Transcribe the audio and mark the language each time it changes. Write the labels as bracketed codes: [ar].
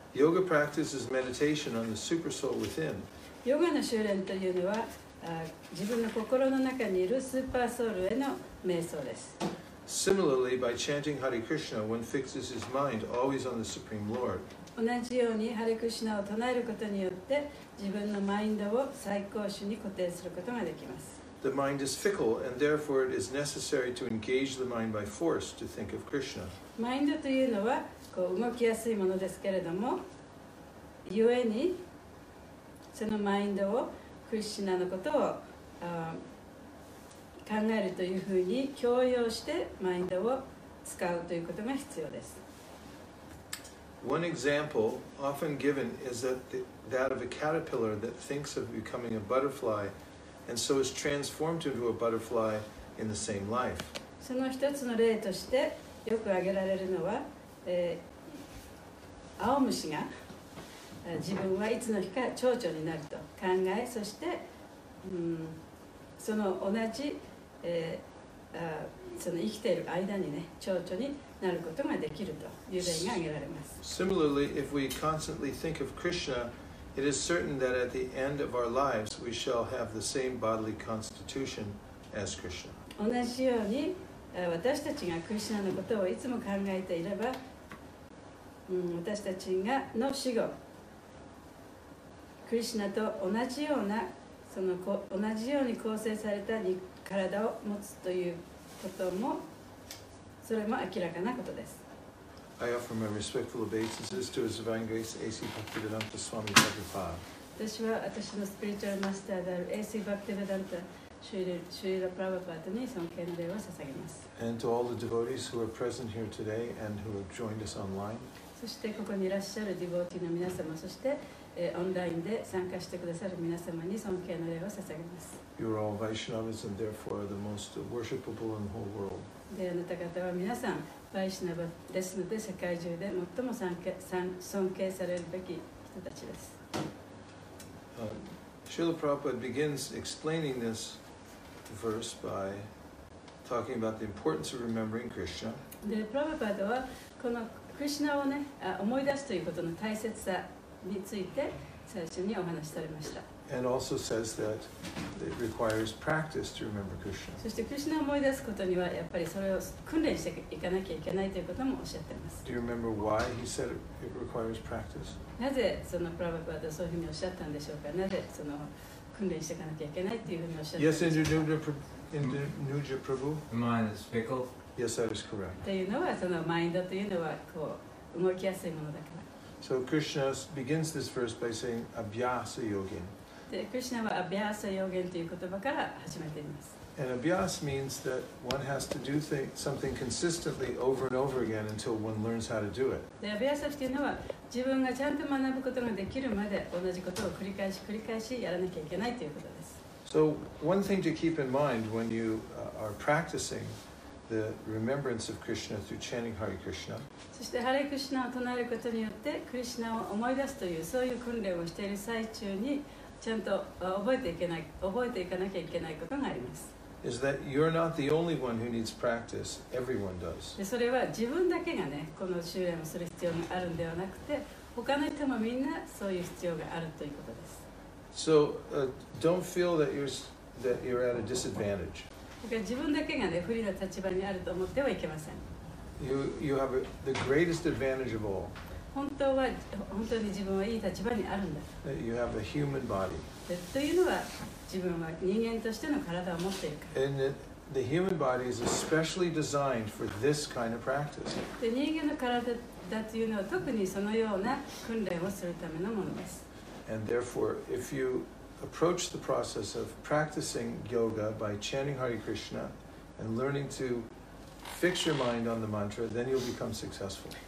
[en] Yoga practice is meditation on the super soul within. [ja] ヨガの修練というのは、自分の心の中にいるスーパーソウルへの瞑想です。 [en] Similarly, by chanting Hare Krishna, one fixes his mind always on the Supreme Lord. [ja] 同じようにハレクリシナを唱えることによって、自分のマインドを最高主に固定することができます。 [en] The mind is fickle, and therefore it is necessary to engage the mind by force to think of Krishna. [ja] マインドというのはこう動きやすいものですけれども、故にそのマインドをクリシナのことを考えるというふうに強要してマインドを使うということが必要です。 [en] One example often given is that of a caterpillar that thinks of becoming a butterfly and so is transformed into a butterfly in the same life. [ja] その一つの例としてよく挙げられるのは、青虫が自分はいつの日か蝶々になると考え、そして、その同じ、その生きている間にね、蝶々になることができるという例が挙げられます。 [en] Similarly, if we constantly think of Krishna, it is certain that at the end of our lives, we shall have the same bodily constitution as Krishna. [ja] 同じように、私たちがクリシナのことをいつも考えていれば、私たちがの死後、クリシナと同じようなその同じように構成された体を持つということもそれも明らかなことです。 [en] I offer my respectful obeisances to His Divine Grace A.C. Bhaktivedanta Swami Prabhupada. [ja] 私は私のスピリチュアルマスターである A.C. Bhaktivedanta Srila Prabhupada に尊敬の礼を捧げます。 [en] And to all the devotees who are present here today and who have joined us online. [ja] そしてここにいらっしゃるディボーティーの皆様、そしてオンラインで参加してくださる皆様に尊敬の礼を捧げます。 [en] You are all Vaishnavas and therefore the most worshipable in the whole world. [ja] で、あなた方は皆さん、Vaishnava ですので世界中で最も尊敬されるべき人たちです。 [en] Srila Prabhupada begins explaining this verse by talking about the importance of remembering Krishna. [ja] で、プラヴァパダはこのクリシナをね、思い出すということの大切さについて最初にお話しされました。 [en] And also says that it requires practice to remember Krishna. [ja] そしてクリシナを思い出すことにはやっぱりそれを訓練していかなきゃいけないということもおっしゃっています。 [en] Do you remember why he said it requires practice? [ja] なぜそのプラヴァパダはそういうふうにおっしゃったんでしょうか。なぜその訓練していかなきゃいけないというふうにおっしゃったんでしょうか。 [en] Yes, in the Nuja Prabhu. The mind is fickle. Yes, that is correct. [ja] というのはそのマインドというのはこう動きやすいものだから。 [en] So Krishna begins this verse by saying Abhyasa Yogin. [ja] で、クリシナはアビアサヨゲンという言葉から始めています。 [en] And abhyas means that one has to do something consistently over and over again until one learns how to do it. [ja] で、アビアサというのは自分がちゃんと学ぶことができるまで同じことを繰り返し繰り返しやらなきゃいけないということです。 [en] So one thing to keep in mind when you are practicing the remembrance of Krishna through chanting Hare Krishna. [ja] そしてハレクリシナを唱えることによってクリシナを思い出すというそういう訓練をしている最中にちゃんと覚えていかなきゃいけないことがあります。 [en] Is that you're not the only one who needs practice? Everyone does. [ja] で、それは自分だけがねこの修練をする必要があるんではなくて、他の人もみんなそういう必要があるということです。 [en] So don't feel that you're at a disadvantage. [ja] 自分だけがね不利な立場にあると思ってはいけません。 [en] You have the greatest advantage of all. [ja] 本当に自分はいい立場にあるんだ。 [en] You have a human body. [ja] というのは自分は人間としての体を持っているから。 [en] And the human body is especially designed for this kind of practice. [ja] で、人間の体だというのは特にそのような訓練をするためのものです。 [en] And therefore, if you approach the process of practicing yoga by chanting Hare Krishna and learning to fix your mind on the mantra, then you'll become successful.